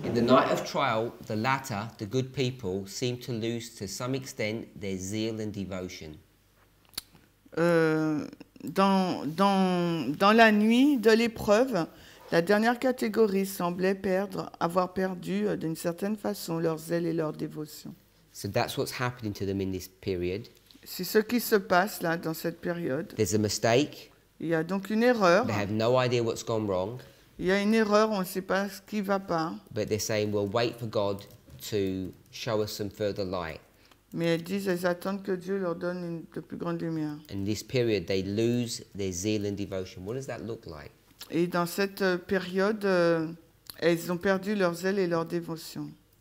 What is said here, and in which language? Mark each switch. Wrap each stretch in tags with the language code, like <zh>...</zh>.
<en>In the night of trial, the latter, the good people, seem to lose to some extent their zeal and devotion.</en> <fr>Dans la nuit de l'épreuve, la dernière catégorie semblait avoir perdu d'une certaine façon leur zèle et leur dévotion.</fr> <en>So that's what's happening to them in this period.</en> <fr>C'est ce qui se passe là dans cette période.</fr> <en>There's a mistake.</en> <fr>Il y a donc une erreur.</fr> <en>They have no idea what's gone wrong.</en> <fr>Il y a une erreur, on ne sait pas ce qui ne va pas.</fr> <en>But they're saying we'll wait for God to show us some further light.</en> <fr>Mais elles disent elles attendent que Dieu leur donne de plus grande lumière.</fr> <en>In this period they lose their zeal and devotion. What does that look like?</en> <fr>Et dans cette période, elles ont perdu leur zèle et leur dévotion.</fr>